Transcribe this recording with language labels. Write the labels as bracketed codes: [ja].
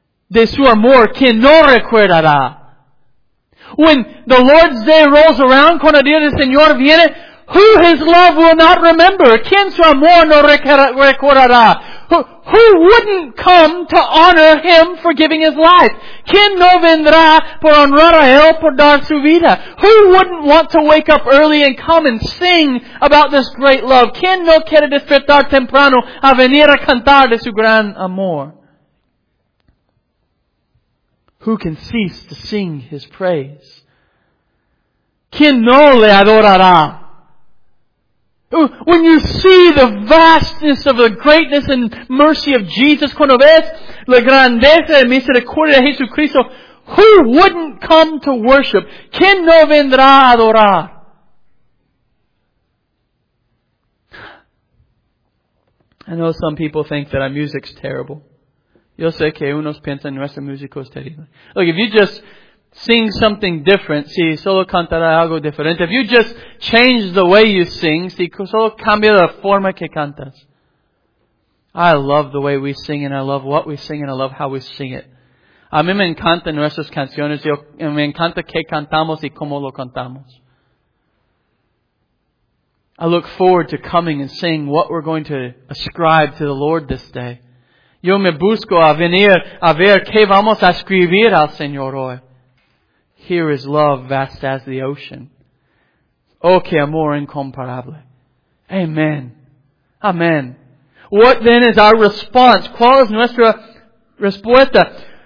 [es] De su amor, ¿quién no recordará? [en] When the Lord's day rolls around, [es] cuando el día del Señor viene, [en] who his love will not remember? [es] ¿Quién su amor no recordará? [en] Who wouldn't come to honor him for giving his life? [es] ¿Quién no vendrá por honrar a él por dar su vida? [en] Who wouldn't want to wake up early and come and sing about this great love? [es] ¿Quién no quiere despertar temprano a venir a cantar de su gran amor? [en] Who can cease to sing his praise? [es] ¿Quién no le adorará? [en] When you see the vastness of the greatness and mercy of Jesus, [es] cuando ves la grandeza y misericordia de Jesucristo, [en] who wouldn't come to worship? [es] ¿Quién no vendrá a adorar? [en] I know some people think that our music's terrible. [es] Yo sé que unos piensan nuestro músico es terrible. [en] Look, if you just sing something different, [es] si solo cantara algo diferente, [en] if you just change the way you sing, [es] si solo cambia la forma que cantas. [en] I love the way we sing, and I love what we sing, and I love how we sing it. [es] A mí me encantan nuestras canciones, y me encanta que cantamos y cómo lo cantamos. [en] I look forward to coming and seeing what we're going to ascribe to the Lord this day. [es] Yo me busco a venir a ver qué vamos a escribir al Señor hoy. [en] Here is love vast as the ocean. [es] Oh, qué amor incomparable. [en] Amen. Amen. What then is our response? [es] ¿Cuál es nuestra respuesta?